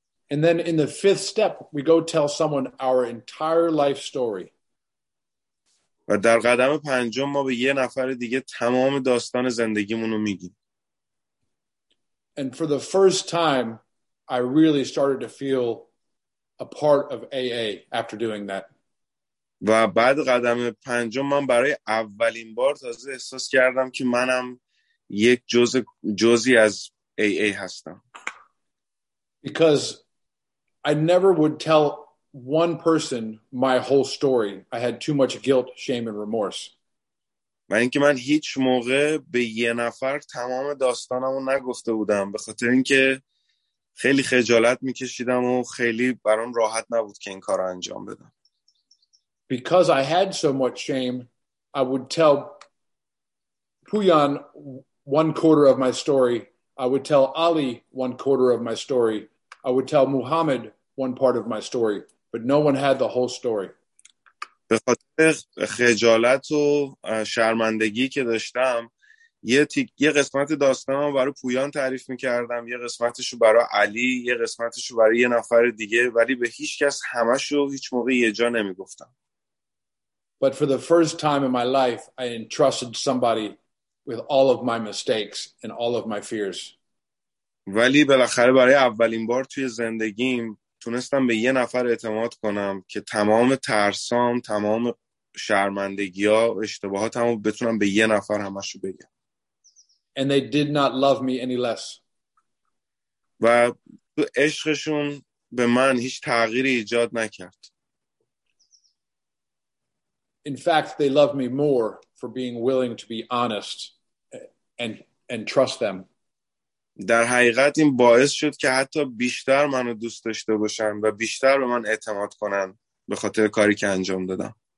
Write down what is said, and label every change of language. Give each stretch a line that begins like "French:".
English: And then in the fifth step, we go tell someone our entire life story.
Persian: و در قدم پنجم ما به یه نفر دیگه تمام داستان زندگیمون رو میگیم.
English: And for the first time, I really started to feel a part of AA after doing that.
Persian: و بعد قدم پنجم من برای اولین بار تازه احساس کردم که منم یک جزی از AA هستم.
English: Because I never would tell one person my whole story. I had too much guilt, shame, and remorse.
Persian: من اینکه من هیچ موقع به یه نفر تمام داستانمو نگفته بودم به خاطر اینکه خیلی خجالت میکشیدم و خیلی برام راحت نبود که این کارو انجام بدم.
English: Because I had so much shame, I would tell Puyan one quarter of my story. I would tell Ali one quarter of my story. I would tell Muhammad one part of my story, but no one had the whole story.
Persian: به خاطر خجالت و شرمندگی که داشتم یه قسمت داستانم برای پویان تعریف می‌کردم، یه قسمتشو برای علی، یه قسمتشو برای یه نفر دیگه، ولی به هیچ کس همه‌شو هیچ موقع یه جا نمی‌گفتم.
English: But for the first time in my life, I entrusted somebody with all of my mistakes and all of my fears.
Persian: ولی بالاخره برای اولین بار توی زندگیم تونستم به یه نفر اعتماد کنم که تمام ترسام، تمام شرمندگی ها و اشتباهات هم بتونم به یه نفر همشو بگم.
English: And they did not love me any less.
Persian: و تو عشقشون به من هیچ تغییری ایجاد نکرد.
English: In fact, they loved me more for being willing to be honest and trust them.
Persian: در حقیقت این باعث شد که حتی بیشتر منو دوست داشته باشن و بیشتر به من اعتماد کنن به خاطر کاری که انجام دادم.